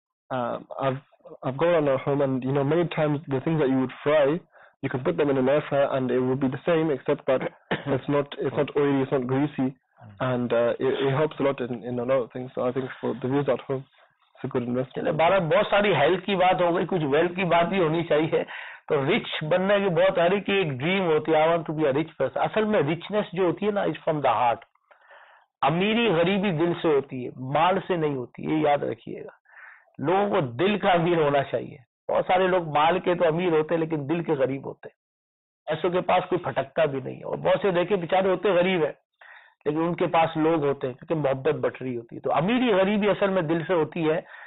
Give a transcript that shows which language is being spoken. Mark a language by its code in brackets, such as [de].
[en] I've gone on at home, and you know, many times the things that you would fry, you can put them in an air fryer and it would be the same, except that it's not oily, it's not greasy, and it helps a lot in a lot of things. So I think for the viewers at home, it's a good investment. [hi] चले बारा बहुत सारी health की बात हो गई, कुछ wealth की बात भी होनी चाहिए. तो rich बनने की बहुत सारी की एक dream होती है, [en] I want to be a rich person. [hi] असल में richness जो होती है ना, [en] is from the heart. [hi] अमीरी गरीबी दिल से होती है, माल से नहीं होती, ये याद रखिएगा. लोगों को दिल का अमीर होना चाहिए. बहुत सारे लोग माल के तो अमीर होते हैं लेकिन दिल के गरीब होते हैं. ऐसों के पास कोई फटकता भी नहीं है, और बहुत से देखे बेचारे होते हैं गरीब है लेकिन उनके पास लोग होते हैं क्योंकि मोहब्बत बट रही होती है. तो अमीरी गरीबी असल में दिल से होती है.